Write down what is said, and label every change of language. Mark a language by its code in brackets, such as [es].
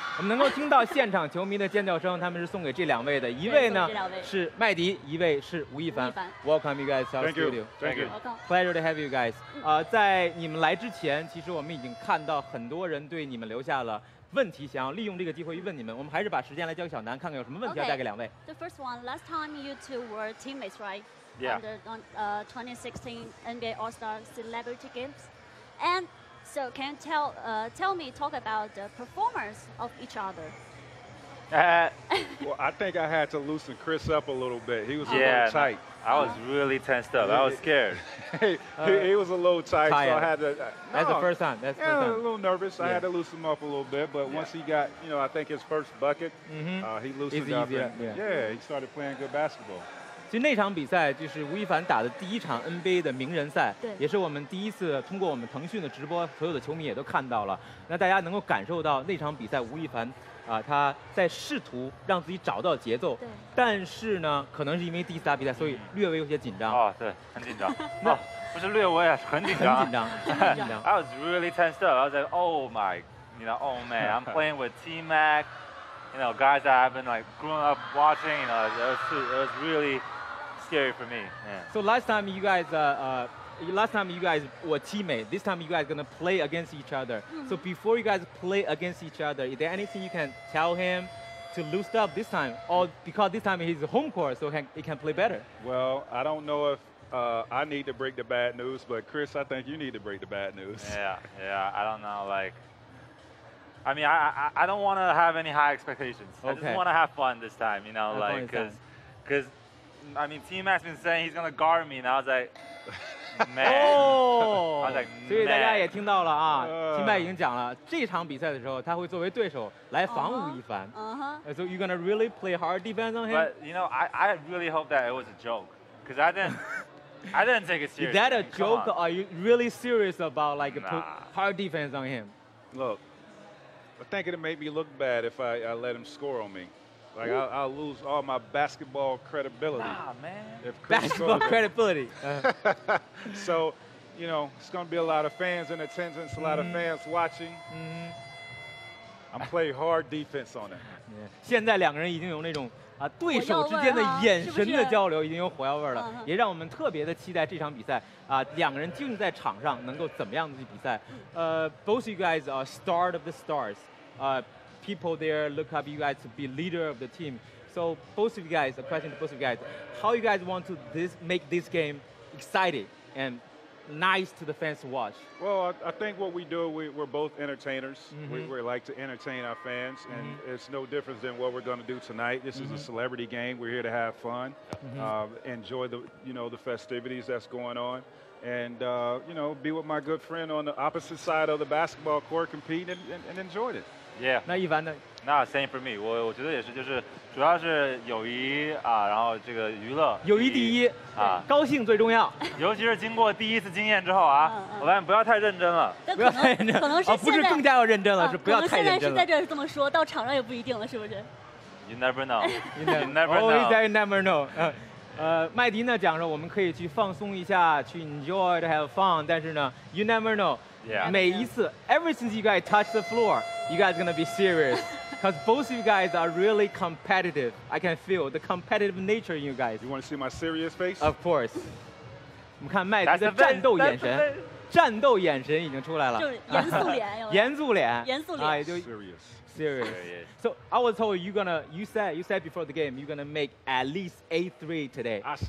[zh] 我们能够听到现场球迷的尖叫声，他们是送给这两位的，一位呢是麦迪，一位是吴亦凡。 [en] Welcome you guys to our studio. Thank you. Pleasure to have you guys. 在你们来之前，其实我们已经看到很多人对你们留下了问题，想要利用这个机会问你们。我们还是把时间来交给小南，看看有什么问题要带给两位。 Okay. The first one, last time you two were teammates, right? Yeah. On the 2016 NBA All-Star Celebrity Games. And so can you talk about the performance of each other? Well, I think I had to loosen Chris up a little bit. He was a little tight. I was really tensed up. I was scared. he was a little tight, so I had to... That's the first time. That's first time. A little nervous. Yeah. I had to loosen him up a little bit. But once he got, you know, I think his first bucket, he loosened up. Easier, and, yeah, he started playing good basketball. [zh] 其实那场比赛就是吴亦凡打的第一场 NBA 的名人赛，对，也是我们第一次通过我们腾讯的直播，所有的球迷也都看到了。那大家能够感受到那场比赛吴亦凡他在试图让自己找到节奏，对，但是呢可能是因为第一次打比赛，所以略微有些紧张。对，很紧张。那不是略微，很紧张。很紧张 [en] I was really tensed up. I was like, oh my, oh man, I'm playing with T-Mac, you know, guys that I've been like growing up watching, you know, it was reallyscary for me. Yeah. So last time you guys were teammates. This time you guys are going to play against each other. So before you guys play against each other, is there anything you can tell him to loosen up this time? Or because this time he's home court, so he can play better? Well, I don't know if I need to break the bad news, but Chris, I think you need to break the bad news. Yeah, I don't know. Like, I mean, I don't want to have any high expectations. Okay. I just want to have fun this time, you know, like, because... I mean, T-Mac's been saying he's going to guard me, and I was like, man. [zh] So, 大家也听到了啊 T-Mac 已经讲了这场比赛的时候他会作为对手来防吴亦凡。 [en] So, you're going to really play hard defense on him? But, you know, I really hope that it was a joke. Because I didn't take it seriously. Is that a joke? Are you really serious about, like, hard defense on him? Look, I think it'd make me look bad if I let him score on me. Like, I'll lose all my basketball credibility. Nah, man. Basketball credibility. So, you know, it's going to be a lot of fans in attendance, a lot of fans watching. I'm playing hard defense on it. Yeah. [zh] 现在两个人已经有那种对手之间的眼神的交流已经有火药味了，也让我们特别的期待这场比赛两个人究竟在场上能够怎么样的去比赛。 [en] Both of you guys are star of the stars. People there look up you guys to be leader of the team. So both of you guys, a question to both of you guys, how you guys want to make this game exciting and nice to the fans to watch? Well, I think what we do, we're both entertainers. We like to entertain our fans, and it's no difference than what we're going to do tonight. This is a celebrity game. We're here to have fun, enjoy the festivities that's going on. And, you know, be with my good friend on the opposite side of the basketball court, compete and enjoy it. Yeah. [zh] 那一般的。 [en] 那 same for me. [zh] 我觉得也是，就是主要是友谊然后这个娱乐。友谊第一高兴最重要。尤其是经过第一次经验之后我发现不要太认真了。不要太认真。可能是现在。不是更加要认真了，是不要太认真了。可能现在是在这儿这么说，到场上也不一定了，是不是？ [en] You never know. You never know. [zh] 麦迪呢讲说我们可以去放松一下，去 [en] enjoy to have fun, [zh] 但是呢 [en] you never know. Yeah. [zh] 每一次 [en] ever since you guys touch the floor, you guys are going to be serious. Because both of you guys are really competitive. I can feel the competitive nature in you guys. You want to see my serious face? Of course. [zh] 我们看麦迪的战斗眼神，战斗眼神已经出来了。严肃脸。严肃脸。严肃脸。严肃脸。 [en] Serious. Serious. So I was told you said before the game you're going to make at least 8-3 today.